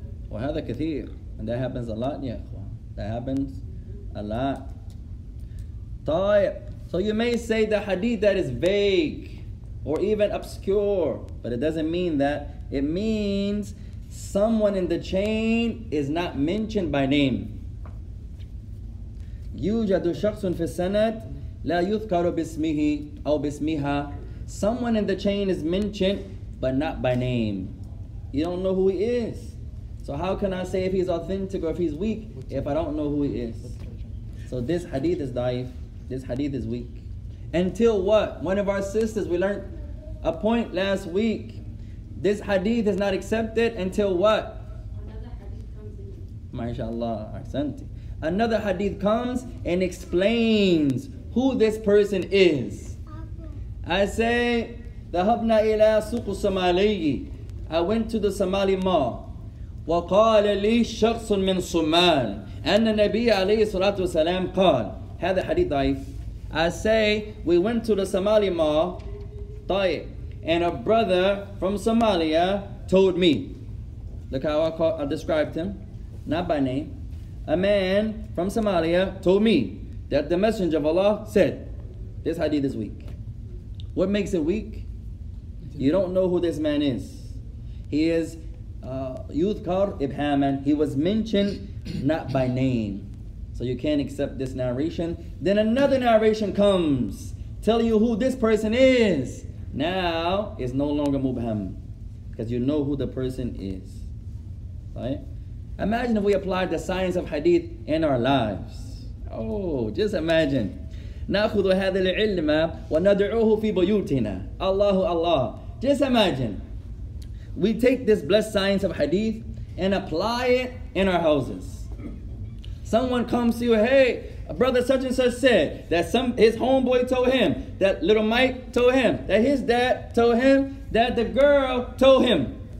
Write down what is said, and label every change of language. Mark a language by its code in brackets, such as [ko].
[ar] وَهَذَا كَثِيرٌ. [en] And that happens a lot, [ar] يا إخوان. [en] That happens a lot. [ar] طيب. [en] So you may say the hadith that is vague or even obscure, but it doesn't mean that. It means someone in the chain is not mentioned by name. [ar] يوجد شخص في السند لا يذكر باسمه أو باسمها. [en] Someone in the chain is mentioned, but not by name. You don't know who he is. So how can I say if he's authentic or if he's weak if I don't know who he is? So this hadith is daif. This hadith is weak. Until what? One of our sisters, we learned a point last week. This hadith is not accepted until what? Another hadith comes in. MashaAllah. Another hadith comes and explains who this person is. I say, [ar] ذهبنا إلى سوق الصومالي. [en] I went to the Somali mall. [ar] وقال لي شخص من صومال. أن النبي عليه الصلاة والسلام قال. هذا حديث ضعيف. [en] I say, we went to the Somali mall. [ar] طيب. [en] And a brother from Somalia told me. Look how I described him. Not by name. A man from Somalia told me that the Messenger of Allah said, this hadith is weak. What makes it weak? You don't know who this man is. He is Yudhkar Ibhaman. He was mentioned not by name. So you can't accept this narration. Then another narration comes telling you who this person is. Now it's no longer Mubham because you know who the person is. Right? Imagine if we applied the science of hadith in our lives. Oh, just imagine. [ar] نأخذ هذا العلم وندعوه في بيوتنا. الله الله. [en] Just imagine. We take this blessed science of hadith and apply it in our houses. Someone comes to you, hey, brother such and such said that his homeboy told him, that little Mike told him, that his dad told him, that the girl told him.